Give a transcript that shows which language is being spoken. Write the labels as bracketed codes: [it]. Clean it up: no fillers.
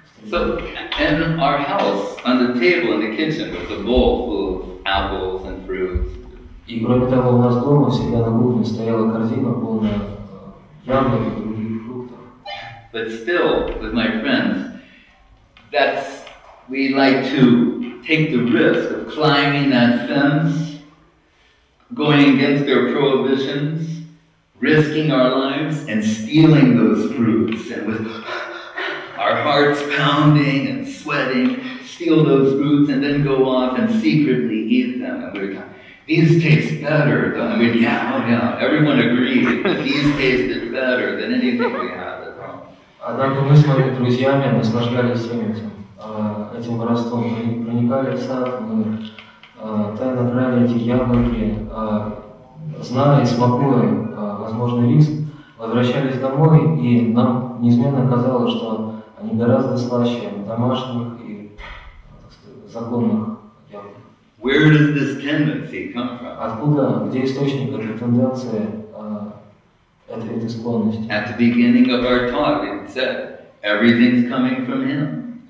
[en] So, in our house, on the table in the kitchen, was a bowl full of apples and fruits. [ru] И кроме того, у нас дома всегда на кухне стояла корзина полная яблок и других фруктов. [en] But still, with my friends, that's we like to take the risk of climbing that fence, going against their prohibitions, risking our lives and stealing those fruits, and with our hearts pounding and sweating, steal those fruits and then go off and secretly eat them. And we're like, these taste better than, I mean, everyone agrees that these tasted better than anything we had at home. [ru] Однако мы с моими друзьями наслаждались всем этим воровством. Мы проникали в сад, мы тайно брали эти яблоки, зная и смакуя возможный риск, возвращались домой, и нам неизменно казалось, что они гораздо слаще домашних и, так сказать, законных яблок. [en] Where does this tendency come from? [ru] Откуда, где источник этой тенденции, этой склонности? [en] At the beginning of our talk, it said, everything's coming from him.